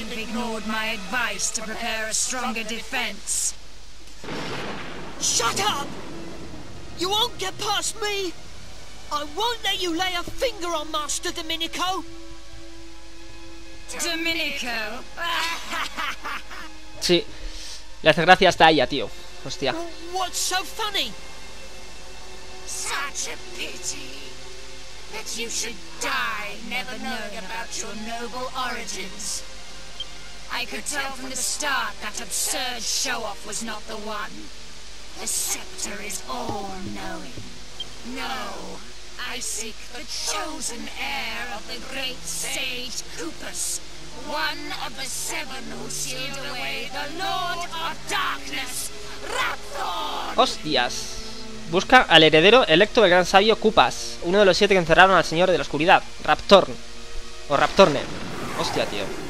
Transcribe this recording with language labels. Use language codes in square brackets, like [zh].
[en] Ignored my advice to prepare a stronger defense. Shut up! You won't get past me! I won't let you lay a finger on Master Domenico! Domenico! [es] Sí, le hace gracia hasta ella, tío. Hostia. [en] What's so funny? Such a pity that you should die never knowing about your noble origins. I could tell from the start that absurd show-off was not the one. The scepter is all-knowing. No, I seek the chosen heir of the great sage Cupus, one of the seven who sealed away the Lord of Darkness, Rathorn! [es] Hostias. Busca al heredero electo del gran sabio Cupas, uno de los siete que encerraron al señor de la oscuridad, Rathorn. O Rathorne. Hostia, tío.